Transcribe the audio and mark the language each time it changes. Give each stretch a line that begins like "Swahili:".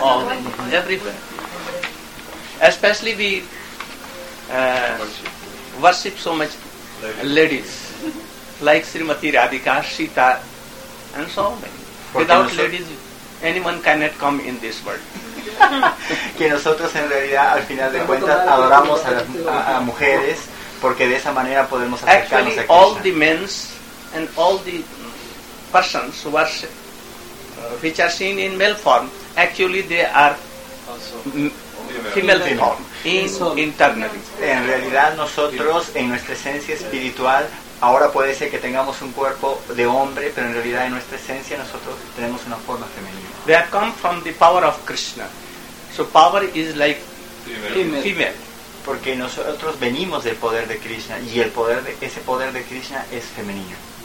English: Oh, everywhere. Especially we worship so much ladies, like Srimati Radhika, Sita, and so many. Without ladies, anyone cannot come in this world.
Spanish: Que nosotros en realidad, al final de cuentas, adoramos a mujeres. Porque de esa manera podemos acercarnos a Krishna.
English: All the men and all the persons who are, which are seen in male form, actually they are female form, internally.
Spanish: En realidad nosotros, en nuestra esencia espiritual, ahora puede ser que tengamos un cuerpo de hombre, pero en realidad en nuestra esencia nosotros tenemos una forma femenina.
English: They have come from the power of Krishna. So power is like female.
Spanish: Porque nosotros venimos del poder de Krishna y el poder de ese poder de Krishna es femenino.